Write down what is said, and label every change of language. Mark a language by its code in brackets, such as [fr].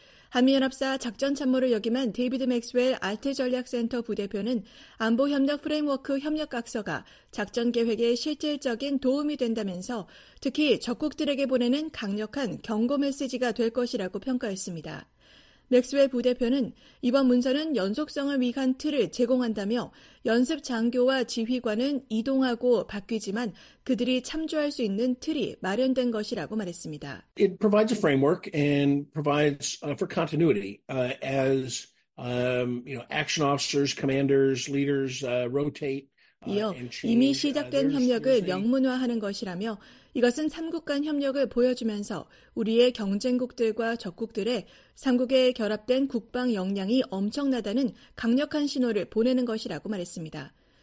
[ko] 한미연합사 작전참모를 역임한 데이비드 맥스웰 아태전략센터 부대표는 안보협력 프레임워크 협력각서가 작전계획에 실질적인 도움이 된다면서 특히 적국들에게 보내는 강력한 경고 메시지가 될 것이라고 평가했습니다. 맥스웰 부대표는 이번 문서는 연속성을 위한 틀을 제공한다며 연습 장교와 지휘관은 이동하고 바뀌지만 그들이 참조할 수 있는 틀이 마련된 것이라고 말했습니다. [en] It provides a framework and provides for continuity as action officers, commanders, leaders rotate. [ko] 이어 이미 시작된 협력을 명문화하는 것이라며 이것은 3국 간 협력을 보여주면서 우리의 경쟁국들과 적국들의 3국에 결합된 국방 역량이 엄청나다는 강력한 신호를 보내는 것이라고 말했습니다.